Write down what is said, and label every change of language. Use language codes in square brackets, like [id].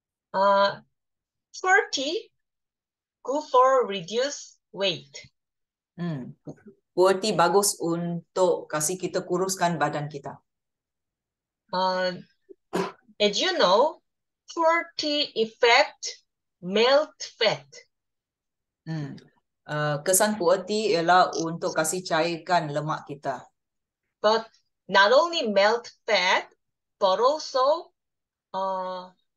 [en] Puer tea good for reduce weight. [ms] Puer tea bagus untuk kasih kita kuruskan badan kita. [en] As you know, puer tea effect melt fat. [ms] Kesan puer tea ialah untuk kasih cairkan lemak kita. [en] But not only melt fat, but also appetite.